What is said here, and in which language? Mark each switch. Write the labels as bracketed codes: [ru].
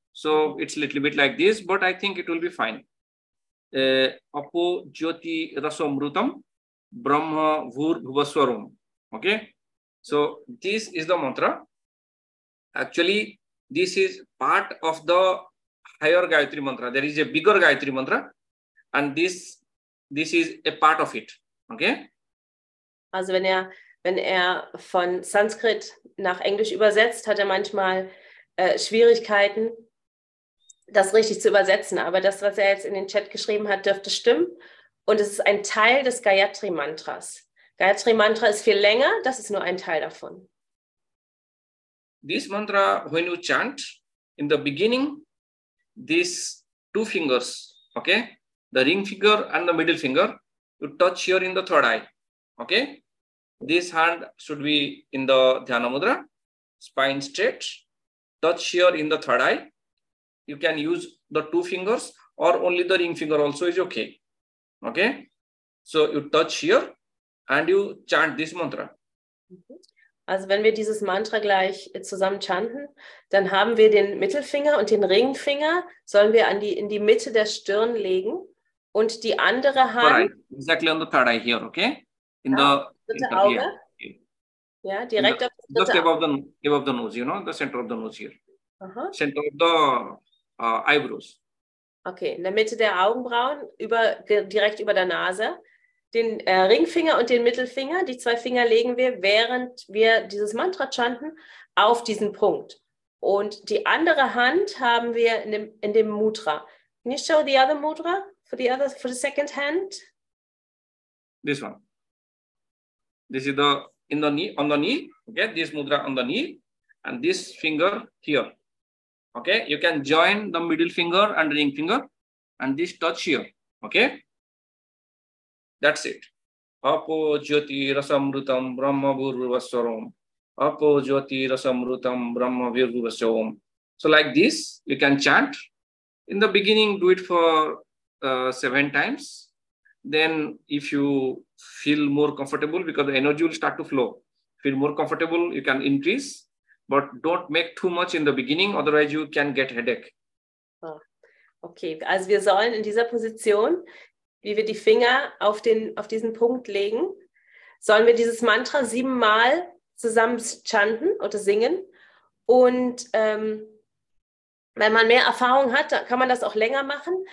[en] So it's a little bit like this, but I think it will be fine. [sa] Apo jyoti rasamrutam brahma vur bhuvaswarum. [en] Okay. So this is the mantra. Actually, this is part of the higher Gayatri Mantra. There is a bigger Gayatri Mantra, and this is a part of it. Okay? [de] Also, wenn er von Sanskrit nach Englisch übersetzt, hat er manchmal Schwierigkeiten, das richtig zu übersetzen. Aber das, was er jetzt in den Chat geschrieben hat, dürfte stimmen. Und es ist ein Teil des Gayatri Mantras. Gayatri Mantra ist viel länger, das ist nur ein Teil davon. [en] This mantra, when you chant, in the beginning, these two fingers, okay, the ring finger and the middle finger, you touch here in the third eye, okay? This hand should be in the Dhyana Mudra, spine straight, touch here in the third eye. You can use the two fingers or only the ring finger also is okay, okay? So you touch here and you chant this mantra. [de] Also wenn wir dieses Mantra gleich zusammen chanten, dann haben wir den Mittelfinger und den Ringfinger, sollen wir in die Mitte der Stirn legen und die andere Hand... [en] Right. Exactly on the third eye here, okay? In the [de] dritte Auge. Okay. Ja, direkt auf das dritte Auge. [en] Just above the nose, you know, the center of the nose here. Uh-huh. Center of the eyebrows. [de] Okay, in der Mitte der Augenbrauen, direkt über der Nase. Den Ringfinger und den Mittelfinger, die zwei Finger legen wir, während wir dieses Mantra chanten, auf diesen Punkt. Und die andere Hand haben wir in dem Mudra. [en] Can you show the other Mudra for the second hand? This one. This is on the knee. Okay, this Mudra on the knee and this finger here. Okay, you can join the middle finger and ring finger and this touch here. Okay. That's it. [sa] Apo jyoti rasamrutam brahma bhurvasvarom. Apo jyoti rasamrutam brahma bhurvasvarom. [en] So like this, you can chant. In the beginning, do it for 7 times. Then if you feel more comfortable, because the energy will start to flow. Feel more comfortable, you can increase. But don't make too much in the beginning, otherwise you can get headache. Oh. [de] Okay, also wir sollen in dieser Position, wie wir die Finger auf diesen Punkt legen, sollen wir dieses Mantra 7-mal zusammen chanten oder singen. Und wenn man mehr Erfahrung hat, dann kann man das auch länger machen.